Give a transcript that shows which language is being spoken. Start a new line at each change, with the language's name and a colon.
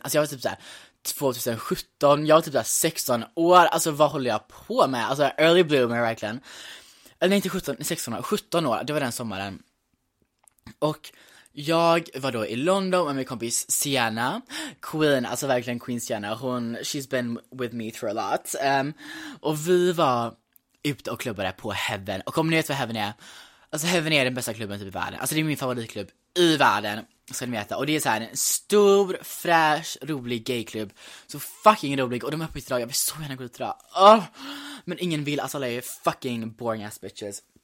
Swedish: Alltså jag var typ såhär 2017, jag var typ såhär 16 år. Alltså vad håller jag på med? Alltså
English: early bloomer
Swedish: verkligen. Eller nej, inte 17, 16 år, 17 år. Det var den sommaren. Och jag var då i London med min kompis Sienna. Queen, alltså verkligen Queen Sienna.
English: Hon, she's been with me through a lot.
Swedish: Och vi var ute och klubbade på Heaven. Och om ni vet vad Heaven är, alltså Heaven är den bästa klubben typ i världen. Alltså det är min favoritklubb i världen, ska ni veta. Och det är så här en stor, fräsch, rolig gayklubb. Så fucking rolig. Och de är uppe idag, jag vill så gärna gå ut idag. Oh! Men ingen vill, alltså alla är
English: fucking boring ass bitches.